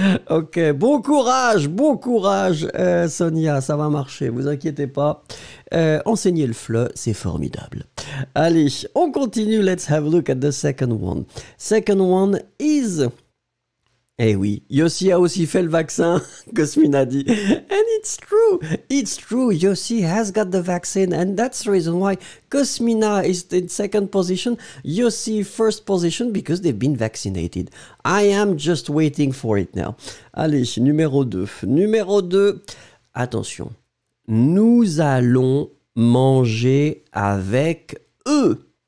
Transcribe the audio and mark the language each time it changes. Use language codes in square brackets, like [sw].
[fr] Ok, bon courage, Sonia, ça va marcher, vous inquiétez pas. Enseigner le FLE, c'est formidable. Allez, on continue, [en] let's have a look at the second one. Second one is... [fr] Eh oui, Yossi a aussi fait le vaccin, Cosmina dit. [en] And it's true, Yossi has got the vaccine, and that's the reason why Cosmina is in second position, Yossi first position, because they've been vaccinated. I am just waiting for it now. [fr] Allez, numéro 2, attention, nous allons manger avec eux.